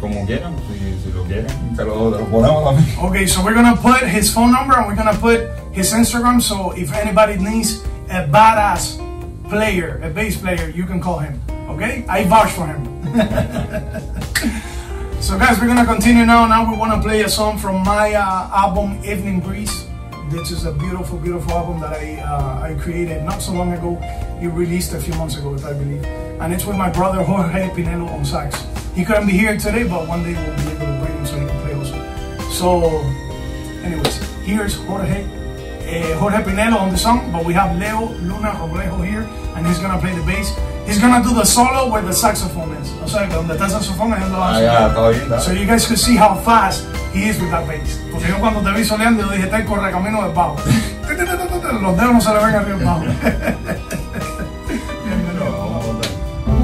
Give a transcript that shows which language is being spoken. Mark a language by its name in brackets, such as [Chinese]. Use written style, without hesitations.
[Spanish] Como quieran, si lo quieren, te lo ponemos también. [English] Okay, so we're gonna put his phone number and we're gonna put his Instagram. So if anybody needs a badass player, a bass player, you can call him. Okay, I vouch for him. So guys, we're gonna continue now. Now we wanna play a song from my album Evening Breeze. This is a beautiful, beautiful album that I created not so long ago. It released a few months ago, if I believe. And it's with my brother Jorge Pinelo on sax. He couldn't be here today, but one day we'll be able to bring him so he can play also. So, anyways, here's Jorge Pinelo on the song, but we have Leo Luna Roblejo here, and he's gonna play the bass. He's gonna do the solo where the saxophone is. [Spanish] O sea, donde está el saxofón, él lo hace. [English] So you guys could see how fast he is with that bass. [Spanish] Porque yo cuando te vi soleando, yo dije, está el correcamino del bajo. Los dedos no se le ven arriba el bajo.